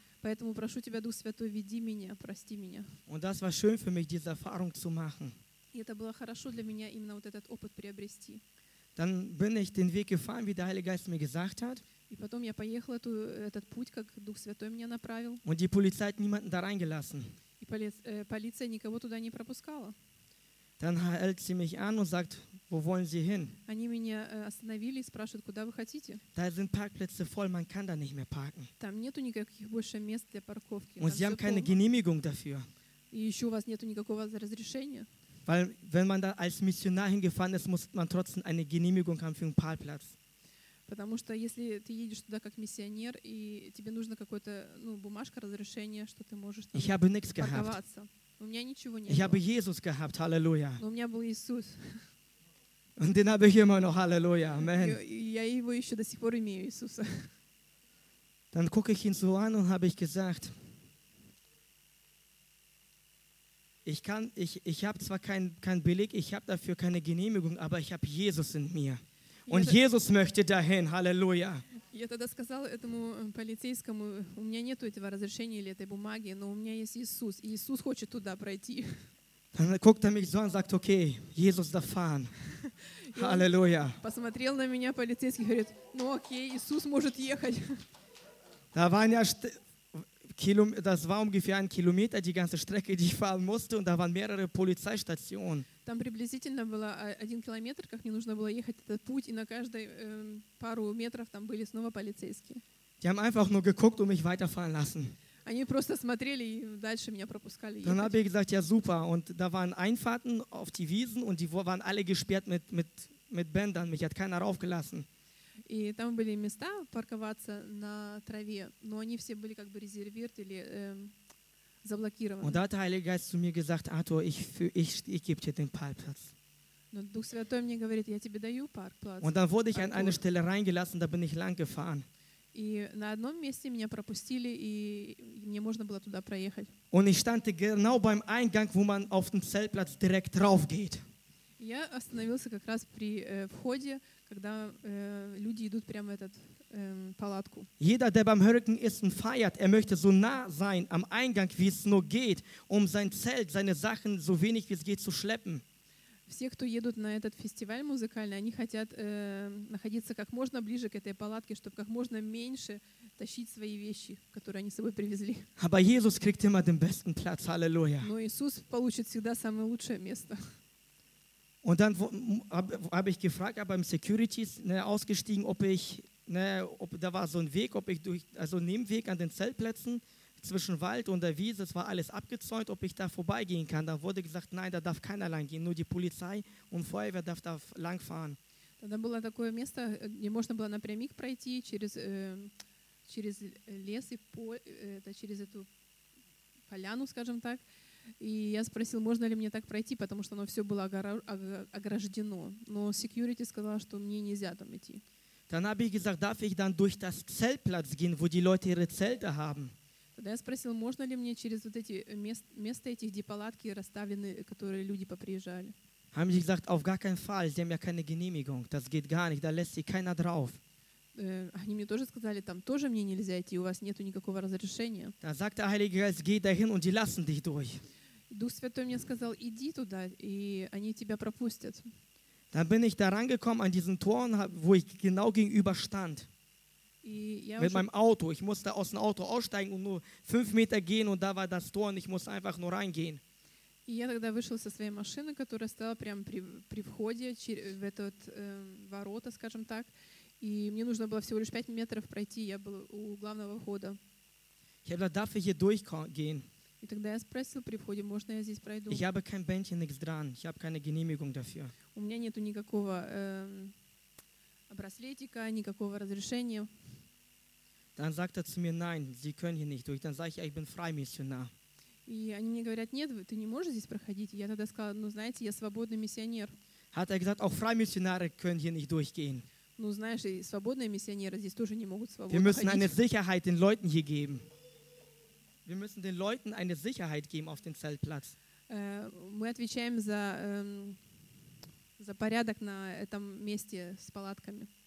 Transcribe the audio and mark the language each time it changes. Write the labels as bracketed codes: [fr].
[ru] Поэтому прошу тебя, Дух Святой, веди меня, прости меня. [de] Und das war schön für mich, diese Erfahrung zu machen. [ru] И это было хорошо для меня именно вот этот опыт приобрести. [de] Dann bin ich den Weg gefahren, wie der Heilige Geist mir gesagt hat. [ru] И потом я поехала этот путь, как Дух Святой меня направил. [de] Und die Polizei hat niemanden da reingelassen. [ru] И полиция никого туда не пропускала. [de] Dann hält sie mich an und sagt, wo wollen Sie hin? [ru] Они меня остановили и спрашивают, куда вы хотите? [de] Da sind Parkplätze voll, man kann da nicht mehr parken. [ru] Там нету никаких больше мест для парковки. [de] Und sie haben keine Genehmigung dafür. [ru] И еще у вас нету никакого разрешения. [de] Weil wenn man da als Missionar hingefahren ist, muss man trotzdem eine Genehmigung haben für einen Parkplatz. [ru] Потому что если ты едешь туда как миссионер и тебе нужно какое-то бумажка разрешение, что ты можешь. [de] Ich habe nichts gehabt. [ru] У меня ничего не было. [de] Ich habe Jesus gehabt, Halleluja. [ru] Но у меня был Иисус. [de] Und den habe ich immer noch, Halleluja, Amen. [ru] Я его еще до сих пор имею, Иисуса. [de] Dann gucke ich ihn so an und habe ich gesagt, ich habe zwar kein Beleg, ich habe dafür keine Genehmigung, aber ich habe Jesus in mir. Und Jesus möchte dahin, Halleluja. [ru] Я тогда сказал этому полицейскому, у меня нету этого разрешения или этой бумаги, но у меня есть Иисус, и Иисус хочет туда пройти. [de] Dann guckt mich so an und sagt, okay, Jesus da fahren. Halleluja. [ru] Посмотрел на меня полицейский, говорит, окей, Иисус может ехать. [de] Da waren ja, das war ungefähr 1 Kilometer, die ganze Strecke, die ich fahren musste, und da waren mehrere Polizeistationen. [ru] Там приблизительно было 1 километр, как мне нужно было ехать этот путь, и на каждой пару метров там были снова полицейские. [de] Die haben einfach nur geguckt und mich weiterfahren lassen. [ru] Они просто смотрели и дальше меня пропускали ехать. [de] Dann habe ich gesagt, ja super, und da waren Einfahrten auf die Wiesen und die waren alle gesperrt mit Bändern, mich hat keiner raufgelassen. [ru] И там были места парковаться на траве, но они все были как бы резервиert или заблокированы. [de] Und da hat der Heilige Geist zu mir gesagt, Arthur, ich gebe dir den Parkplatz. [ru] Но Дух Святой мне говорит, я тебе даю парк-плац. [de] Und dann wurde ich an eine Stelle reingelassen, da bin ich lang gefahren. [ru] И на одном месте меня пропустили, и мне можно было туда проехать. [de] Und ich stand genau beim Eingang, wo man auf den Zeltplatz direkt drauf geht. [ru] Я остановился как раз при входе, когда люди идут прямо в этот палатку. [de] Jeder, der beim Hurricane ist und feiert, möchte so nah sein am Eingang, wie es nur geht, sein Zelt, seine Sachen so wenig wie es geht zu schleppen. [ru] Все, кто едут на этот фестиваль музыкальный, они хотят находиться как можно ближе к этой палатке, чтобы как можно меньше тащить свои вещи, которые они с собой привезли. [de] Aber Jesus kriegt immer den besten Platz, Halleluja. [ru] Но Иисус получит всегда самое лучшее место. [de] Und dann habe ich gefragt, aber im Security ist ausgestiegen, ob da war so ein Weg, also ein Nebenweg an den Zeltplätzen zwischen Wald und der Wiese, es war alles abgezäunt, ob ich da vorbeigehen kann. Da wurde gesagt, nein, da darf keiner lang gehen, nur die Polizei und Feuerwehr darf da lang fahren. [ru] Тогда было такое место, где можно было напрямик пройти через лес и через эту поляну, скажем так. И я спросил, можно ли мне так пройти, потому что оно все было ограждено. Но security сказала, что мне нельзя там идти. [de] Dann habe ich gesagt, darf ich dann durch das Zeltplatz gehen, wo die Leute ihre Zelte haben? [ru] Тогда я спросил, можно ли мне через вот эти места, где палатки расставлены, которые люди поприезжали. [de] Haben sie gesagt, auf gar keinen Fall, sie haben ja keine Genehmigung, das geht gar nicht, da lässt sie keiner drauf. [ru] Они мне тоже сказали, там тоже мне нельзя идти, у вас нету никакого разрешения. [de] Da sagt der Heilige Geist, geh dahin und die lassen dich durch. [ru] Дух Святой мне сказал, иди туда, и они тебя пропустят. [de] Dann bin ich da rangekommen an diesen Toren, wo ich genau gegenüber stand. Mit meinem Auto. Ich musste aus dem Auto aussteigen und nur 5 Meter gehen und da war das Tor und ich musste einfach nur reingehen. [ru] И я тогда вышел со своей машины, которая стояла прямо при входе в этот ворота, скажем так. И мне нужно было всего лишь 5 метров пройти. Я был у главного входа. [de] Ich habe gesagt, darf ich hier durchgehen? [ru] И тогда я спросил при входе, можно я здесь пройду? [de] Ich habe kein Bändchen, nichts dran. Ich habe keine Genehmigung dafür. [ru] У меня нету никакого браслетика, никакого разрешения. [de] Dann sagt zu mir, nein, Sie können hier nicht durch. Dann sage ich, ich bin Freimissionar. [ru] И они мне говорят, нет, ты не можешь здесь проходить. Я тогда сказала, ну знаете, я свободный миссионер. [de] Hat gesagt, auch Freimissionare können hier nicht durchgehen. [ru] Ну знаешь, и свободные миссионеры здесь тоже не могут свободно. [de] Wir müssen eine Sicherheit den Leuten hier geben. Wir müssen den Leuten eine Sicherheit geben auf dem Zeltplatz. [ru] Мы отвечаем за порядок на этом месте с палатками.